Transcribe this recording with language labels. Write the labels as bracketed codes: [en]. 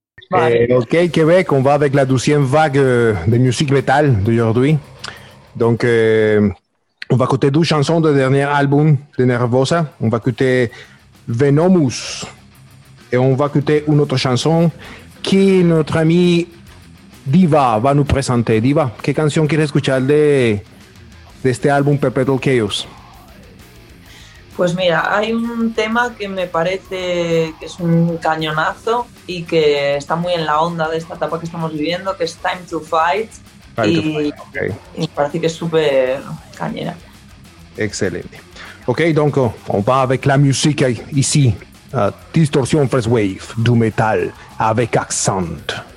[fr] Ok, Québec, on va avec la 12e vague de musique métal d'aujourd'hui. Donc, on va écouter deux chansons du dernier album de Nervosa. On va écouter Venomous. Et on va écouter une autre chanson que notre ami Diva va nous présenter. [es] Diva, [fr] quelle chanson [es] quieres escuchar de este álbum Perpetual Chaos? Pues mira, hay un tema que me parece que es un cañonazo y que está muy en la onda de esta etapa que estamos viviendo, que es Time to Fight. Y me parece que es súper cañera. Excelente. [fr] Ok, Donko, on va avec la musique ici. Distorsión First Wave du metal avec accent.